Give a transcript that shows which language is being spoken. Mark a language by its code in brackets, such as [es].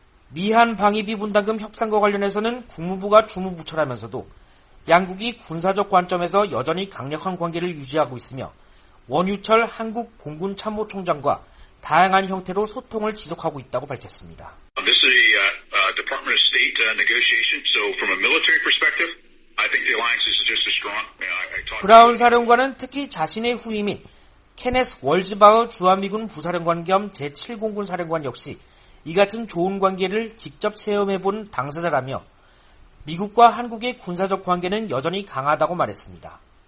[ko] 미한 방위비 분담금 협상과 관련해서는 국무부가 주무부처라면서도 양국이 군사적 관점에서 여전히 강력한 관계를 유지하고 있으며 원유철 한국 공군참모총장과 다양한 형태로 소통을 지속하고 있다고 밝혔습니다. [en] This is a Department of State negotiation. So from a military perspective, I think the alliance is just as strong. You know, I talked. [ko] 브라운 사령관은 특히 자신의 후임인 케네스 월즈바우 주한미군 부사령관 겸 제7공군 사령관 역시 이 같은 좋은 관계를 직접 체험해본 당사자라며 미국과 한국의 군사적 관계는 여전히 강하다고 말했습니다.